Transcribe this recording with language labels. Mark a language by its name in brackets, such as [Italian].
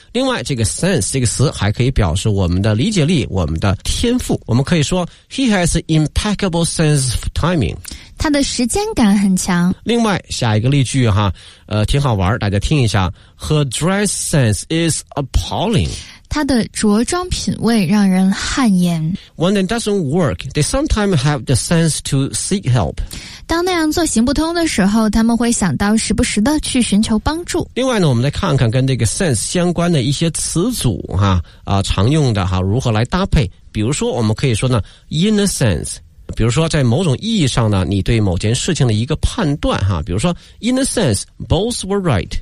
[Chinese] 另外，这个 sense 这个词还可以表示我们的理解力，我们的天赋，我们可以说。 [English] He has impeccable sense of timing. [Chinese] 他的时间感很强。另外，下一个例句哈，挺好玩，大家听一下。 [English] Her dress sense is appalling. [Chinese] 他的着装品味让人汗颜。 [English] When it doesn't work, they sometimes have the sense to seek help. [Chinese] 当那样做行不通的时候，他们会想到时不时的去寻求帮助。另外呢，我们来看看跟这个 sense 相关的一些词组哈，常用的哈，如何来搭配。比如说我们可以说呢 [English] in a sense， [Chinese] 比如说在某种意义上呢，你对某件事情的一个判断哈，比如说 [English] in a sense both were right，